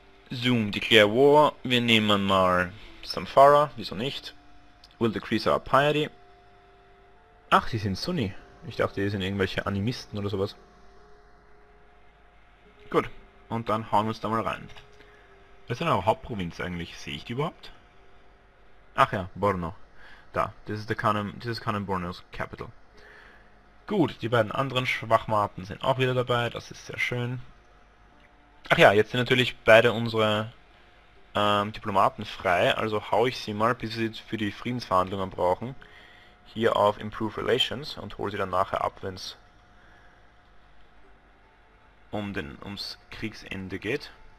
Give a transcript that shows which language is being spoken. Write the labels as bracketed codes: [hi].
[de] Zoom, declare war. Wir nehmen mal Zamfara. Wieso nicht? [en] Will decrease our piety. [de] Ach, die sind Sunni. Ich dachte, die sind irgendwelche Animisten oder sowas. Gut. Und dann hauen wir uns da mal rein. Was ist denn eure Hauptprovinz eigentlich? Sehe ich die überhaupt? Ach ja, Borno. Da. [en] This is Cannon Borno's Capital. [de] Gut, die beiden anderen Schwachmaten sind auch wieder dabei. Das ist sehr schön. Ach ja, jetzt sind natürlich beide unsere Diplomaten frei. Also hau ich sie mal, bis sie für die Friedensverhandlungen brauchen. Hier auf Improve Relations und hol sie dann nachher ab, wenn es ums Kriegsende geht.